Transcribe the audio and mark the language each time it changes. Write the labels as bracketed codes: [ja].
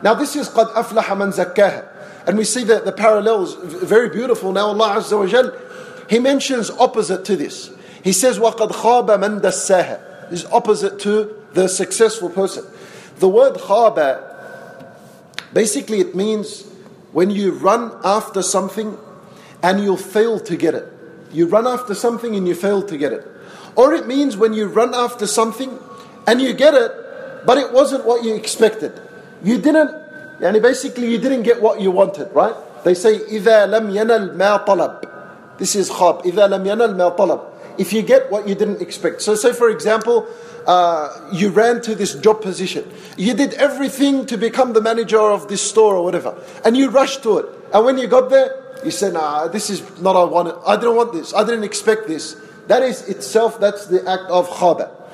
[en] Now this is [ar] قَدْ أَفْلَحَ مَنْ زَكَّاهَا. [en] And we see that the parallels very beautiful. Now Allah Azza wa Jal, He mentions opposite to this. He says, [ar] وَقَدْ خَابَ مَنْ دَسَّاهَا. [en] Is opposite to the successful person. The word khaba, basically it means when you run after something and you fail to get it. You run after something and you fail to get it. Or it means when you run after something and you get it, but it wasn't what you expected. You didn't, yani basically you didn't get what you wanted, right? They say, [ar] إِذَا لَمْ يَنَلْ مَا طَلَبْ. [en] This is khab. [ar] إِذَا لَمْ يَنَلْ مَا طَلَبْ. [en] If you get what you didn't expect. So say for example, you ran to this job position. You did everything to become the manager of this store or whatever. And you rushed to it. And when you got there, you said, nah, this is not what I wanted. I didn't want this. I didn't expect this. That is itself, that's the act of khaba.